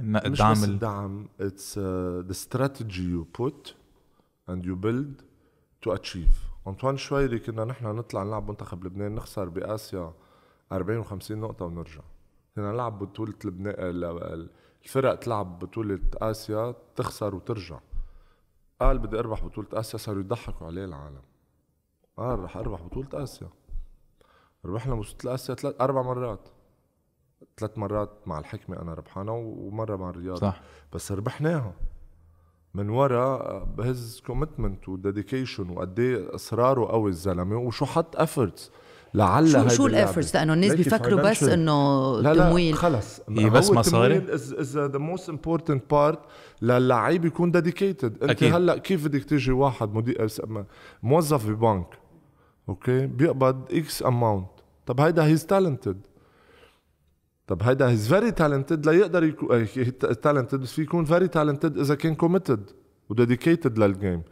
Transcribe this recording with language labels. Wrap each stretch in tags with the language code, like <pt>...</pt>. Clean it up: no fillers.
<en>الدعم مش بس الدعم it's the strategy you put and you build to achieve.</en> <ar>أنطوان شويري كنا نحن نطلع نلعب منتخب لبنان نخسر بآسيا 40-50 نقطة ونرجع. كنا نلعب بطولة لبنان الفرق تلعب بطولة آسيا تخسر وترجع. قال بدي أربح بطولة آسيا صاروا يضحكوا عليه العالم. قال رح أربح بطولة آسيا. ربحنا بطولة آسيا ثلاث مرات مع الحكمة أنا ربحنا ومرة مع الرياض. صح. بس ربحناها من وراء بهز كوميتمنت وديديكيشن وقدي إصراره قوي الزلمة وشو حط أفورتس. لعل شو الأفورتس لأنه الناس بيفكروا بس إنه تمويل. لا خلاص. هي بس مصاري.</ar> <en>is the most important part للاعيب يكون dedicated.</en> <ar>أنت أكيد. هلأ كيف بدك تيجي واحد موظف في بنك أوكي بيقبض X amount. طب هيدا he's talented. طب هيدا he's very talented لا يقدر يكون talented بس فيكون very talented إذا كان committed وdedicated للجيم.</ar>